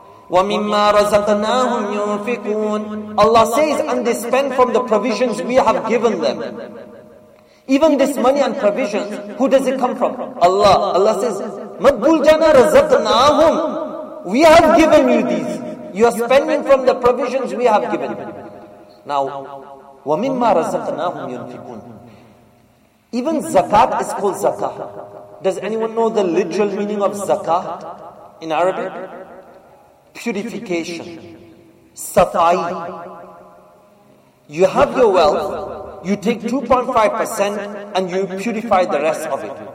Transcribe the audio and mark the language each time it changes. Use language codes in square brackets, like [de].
[ar] وَمِمَّا رَزَقْنَاهُمْ يُنْفِقُونَ, [en] Allah says, and they spend from the provisions we have given them. Even this money and provisions, who does it come from? Allah. Allah says, [ar] مَقْبُلْ جَنَا رَزَقْنَاهُمْ, [en] We have given you these. You are spending from the provisions we have given. [ar] Now, وَمِمَّا رَزَقْنَاهُمْ يُنْفِقُونَ. [en] Even zakat is called zakah. Does anyone know the literal meaning of zakah in Arabic? Purification. Safai. You have your wealth, you take 2.5% and you purify the rest of it.